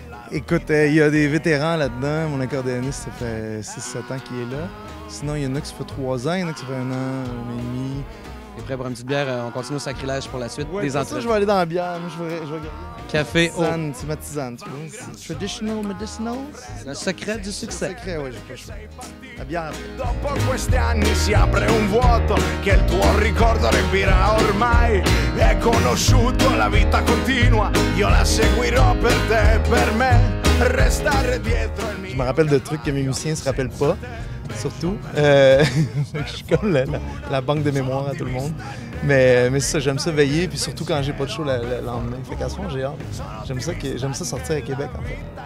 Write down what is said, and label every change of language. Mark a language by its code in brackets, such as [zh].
[fr] Écoute, il y a des vétérans là-dedans. Mon accordéoniste, ça fait 6-7 ans qu'il est là. Sinon, il y en a qui ça fait 3 ans, il y en a qui ça fait un an, un an et demi. Et prêt pour une petite bière, on continue au sacrilège pour la suite ouais, des entrées. Ça, je vais aller dans la bière. Moi, je vais garder. Café au. Tisane, oh. C'est ma tisane, tu vois. [en] Traditional medicinal. [fr] Le secret du succès. Le secret, oui, j'ai pas choisi. La bière. [it] Dopo questi anni si apre un vuoto che il tuo ricordo riempirà ormai. È conosciuto, la vita continua. Io la seguirò per te, per me. Restare dietro il mio. [fr] Je me rappelle de trucs que mes musiciens ne se rappellent pas. Surtout, je suis comme la banque de mémoire à tout le monde. Mais ça, j'aime ça veiller, puis surtout quand j'ai pas de show le lendemain. Fait qu'à ce moment, j'ai hâte. J'aime ça sortir à Québec, en fait.